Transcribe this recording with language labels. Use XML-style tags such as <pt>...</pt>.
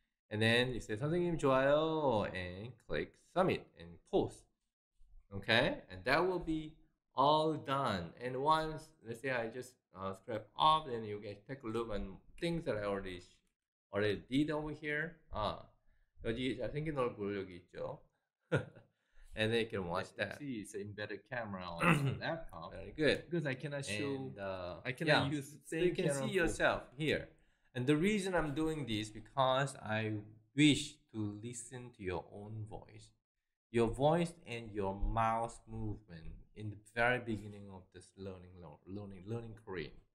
<en>And then you say something in 좋아요 and click submit and post. Okay, and that will be all done. And once, let's say I just scrap off, then you can take a look on things that I already did over here.</en> <ko>여기 잘생긴 얼굴 여기 있죠.</ko> <en>And then you can watch that. See, it's an embedded camera on the laptop. Very good. Because I cannot show. And, I cannot use the same camera. You can see yourself here. And the reason I'm doing this because I wish to listen to your own voice. Your voice and your mouth movement in the very beginning of this learning Korean.</en>